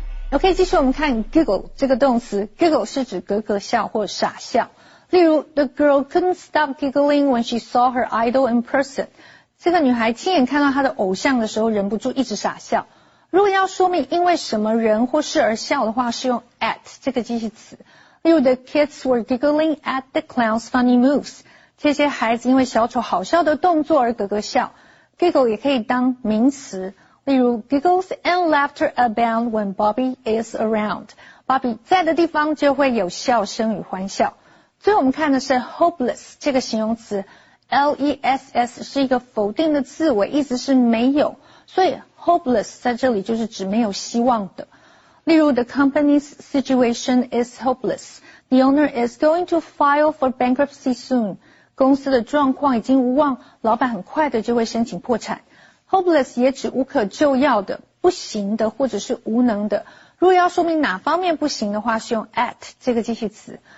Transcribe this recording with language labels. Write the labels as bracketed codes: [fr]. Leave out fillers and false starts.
[zh] Okay, 继续我们看 giggle 这个动词。Giggle 是指咯咯笑或傻笑。例如 [en] ,the girl couldn't stop giggling when she saw her idol in person. [zh] 这个女孩亲眼看到她的偶像的时候忍不住一直傻笑。如果要说明因为什么人或事而笑的话，是用 at 这个介系词。例如 [en] The kids were giggling at the clown's funny moves. [zh] 这些孩子因为小丑好笑的动作而咯咯笑。 Giggle 也可以当名词。例如 [en] Giggles and laughter abound when Bobby is around. [zh] Bobby 在的地方就会有笑声与欢笑。最后我们看的是 hopeless 这个形容词。 L-E-S-S 是一个否定的字尾，意思是没有，所以 hopeless 在这里就是指没有希望的。 [en] 例如 The company's situation is hopeless. The owner is going to file for bankruptcy soon. [zh] 公司的状况已经无望，老板很快的就会申请破产。 Hopeless 也指无可救药的、不行的或者是无能的。如果要说明哪方面不行的话，是用 at 这个继续词。